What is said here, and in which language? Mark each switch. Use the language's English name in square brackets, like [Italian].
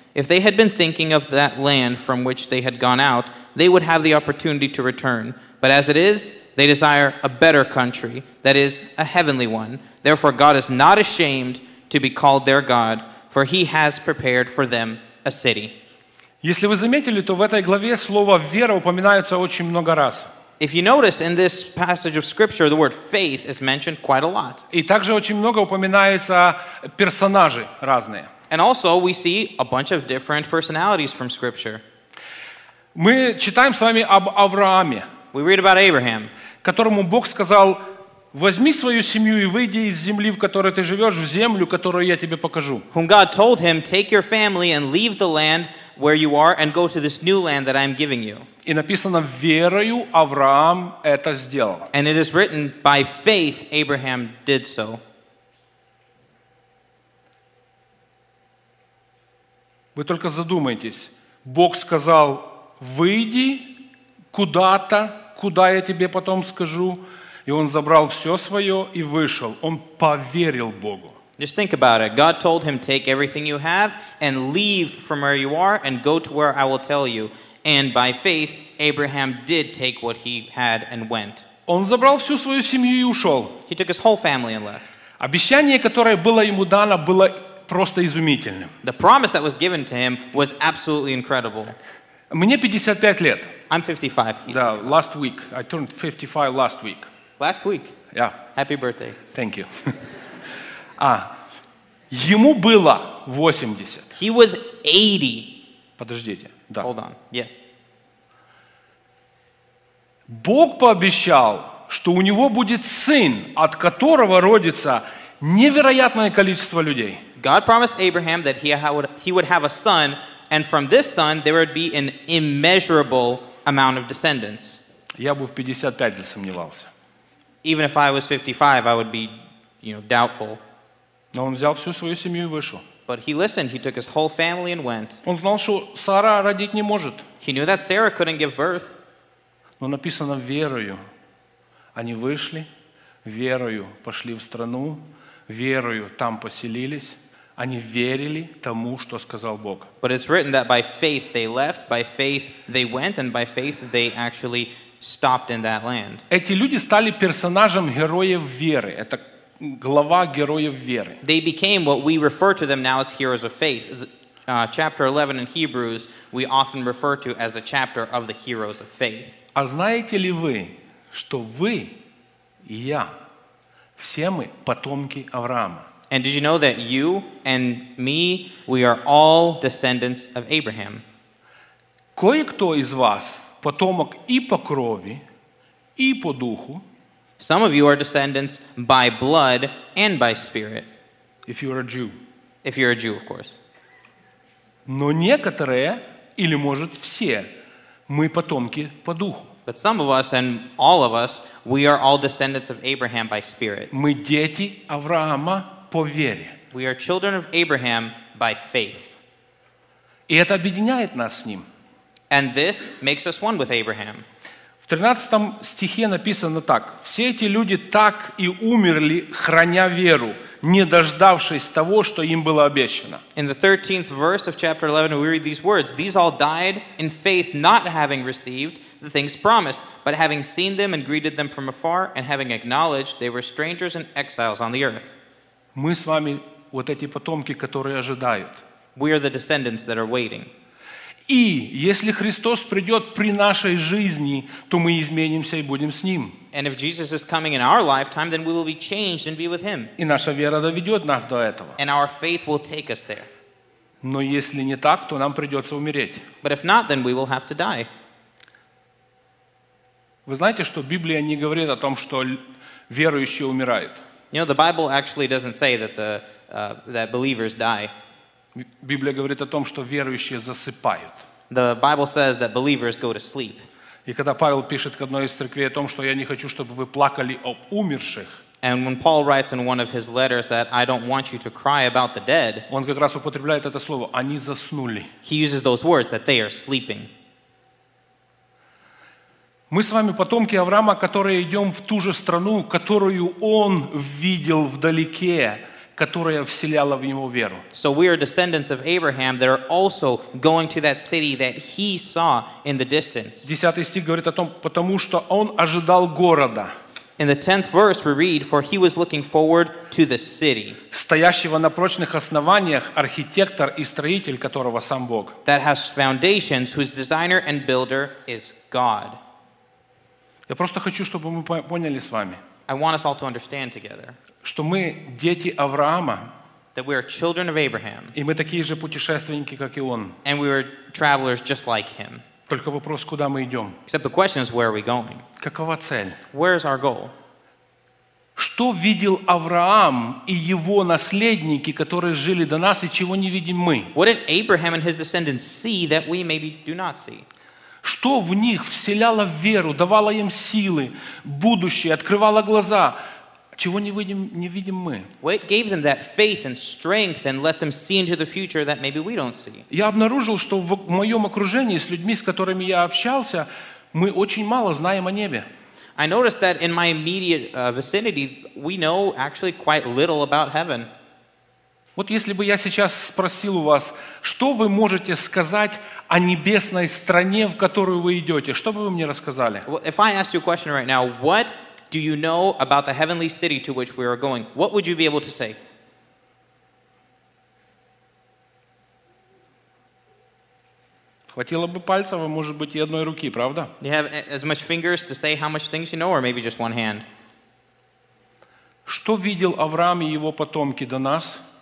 [English] If they had been thinking of that land from which they had gone out, they would have the opportunity to return. But as it is, they desire a better country, that is, a heavenly one. Therefore, God is not ashamed to be called their God, for he has prepared for them a city. [Russian] Если вы заметили, то в этой главе слово «вера» упоминается очень много раз. [English] If you noticed, in this passage of Scripture, the word faith is mentioned quite a lot. [Russian] И также очень много упоминается персонажи разные. [English] And also, we see a bunch of different personalities from Scripture. [Russian] Мы читаем с вами об Аврааме. [English] We read about Abraham, [Russian] которому Бог сказал, возьми свою семью и выйди из земли, в которой ты живешь, в землю, которую я тебе покажу. [English] Whom God told him, take your family and leave the land where you are and go to this new land that I am giving you. [Russian] И написано, верою Авраам это сделал. [English] And it is written, by faith Abraham did so. [Russian] Вы только задумайтесь. Бог сказал, выйди куда-то, куда я тебе потом скажу. И он забрал все свое и вышел. Он поверил Богу. [English] Just think about it. God told him, take everything you have and leave from where you are and go to where I will tell you. And by faith, Abraham did take what he had and went. [Russian] Он забрал всю свою семью и ушел. [English] He took his whole family and left. [Russian] Обещание, которое было ему дано, было просто изумительным. [English] The promise that was given to him was absolutely incredible. [Russian] Мне 55 лет. [English] I'm 55. Yeah, last week. I turned 55 last week. Last week? Yeah. Happy birthday. Thank you. [Russian] А ему было 80. [English] He was 80. [Russian] Подождите. Да. [English] Hold on. Yes. [Russian] Бог пообещал, что у него будет сын, от которого родится невероятное количество людей. [English] God promised Abraham that he would have a son, and from this son there would be an immeasurable amount of descendants. [Russian] Я бы в 55 засомневался. [English] Even if I was 55, I would be, doubtful. [Russian] Но он взял всю свою семью и вышел. [English] But he listened. He took his whole family and went. [Russian] Он знал, что Сара родить не может. [English] He knew that Sarah couldn't give birth. [Russian] Но написано верою. Они вышли, верою пошли в страну, верою там поселились. Они верили тому, что сказал Бог. [English] But it's written that by faith they left, by faith they went, and by faith they actually stopped in that land. [Russian] Эти люди стали персонажем героев веры. Это глава героев веры. [English] They became what we refer to them now as heroes of faith. Chapter 11 in Hebrews we often refer to as the chapter of the heroes of faith. [Russian] А знаете ли вы, что вы и я, все мы потомки Авраама? [English] And did you know that you and me, we are all descendants of Abraham? [Russian] Кое-кто из вас потомок и по крови, и по духу. [English] Some of you are descendants by blood and by spirit. If you are a Jew. If you're a Jew, of course. [Russian] Но некоторые, или может все, мы потомки по духу. [English] But some of us and all of us, we are all descendants of Abraham by spirit. [Russian] Мы дети Авраама по вере. [English] We are children of Abraham by faith. [Russian] И это объединяет нас с ним. [English] And this makes us one with Abraham. [Russian] В 13 стихе написано так. Все эти люди так и умерли, храня веру, не дождавшись того, что им было обещано. [English] In the 13th verse of chapter 11, we read these words. These all died in faith, not having received the things promised, but having seen them and greeted them from afar, and having acknowledged they were strangers and exiles on the earth. [Russian] Мы с вами вот эти потомки, которые ожидают. [English] We are the descendants that are waiting. [Russian] И если Христос придет при нашей жизни, то мы изменимся и будем с Ним. [English] And if Jesus is coming in our lifetime, then we will be changed and be with Him. [Russian] И наша вера доведет нас до этого. [English] And our faith will take us there. [Russian] Но если не так, то нам придется умереть. [English] But if not, then we will have to die. [Russian] Вы знаете, что Библия не говорит о том, что верующие умирают? [English] You know, the Bible actually doesn't say that that believers die. [Russian] Библия говорит о том, что верующие засыпают. [English] The Bible says that believers go to sleep. [Russian] И когда Павел пишет к одной из церквей о том, что я не хочу, чтобы вы плакали об умерших. [English] And when Paul writes in one of his letters that I don't want you to cry about the dead. [Russian] Он как раз употребляет это слово, они заснули. [English] He uses those words that they are sleeping. [Russian] Мы с вами потомки Авраама, которые идем в ту же страну, которую он видел вдалеке, которая вселяла в него веру. [English] So we are descendants of Abraham that are also going to that city that he saw in the distance. [Russian] 10 стих говорит о том, потому что он ожидал города. [English] In the 10th verse we read, for he was looking forward to the city. [Russian] Стоящего на прочных основаниях, архитектор и строитель которого сам Бог. [English] That has foundations, whose designer and builder is God. [Russian] Я просто хочу, чтобы мы поняли с вами. [English] I want us all to understand together. [Russian] Что мы дети Авраама. [English] That we are children of Abraham. [Russian] И мы такие же путешественники, как и он. [English] And we are travelers just like him. [Russian] Только вопрос, куда мы идем. [English] Except the question is, where are we going? [Russian] Какова цель? [English] Where is our goal? [Russian] Что видел Авраам и его наследники, которые жили до нас, и чего не видим мы? [English] What did Abraham and his descendants see that we maybe do not see? [Russian] Что в них вселяло веру, давало им силы, будущее, открывало глаза, чего не видим мы? [English] What gave them that faith and strength and let them see into the future that maybe we don't see? [Russian] Я обнаружил, что в моем окружении с людьми, с которыми я общался, мы очень мало знаем о небе. [English] I noticed that in my immediate vicinity, we know actually quite little about heaven. [Russian] Вот если бы я сейчас спросил у вас, что вы можете сказать о небесной стране, в которую вы идете, что бы вы мне рассказали? [English] Well, if I asked you a question right now, what do you know about the heavenly city to which we are going? What would you be able to say? [Russian] Хватило бы пальцев, а может быть и одной руки, правда? [English] You have as much fingers to say how much things you know, or maybe just one hand. [Russian] Что видел Авраам и его потомки до нас?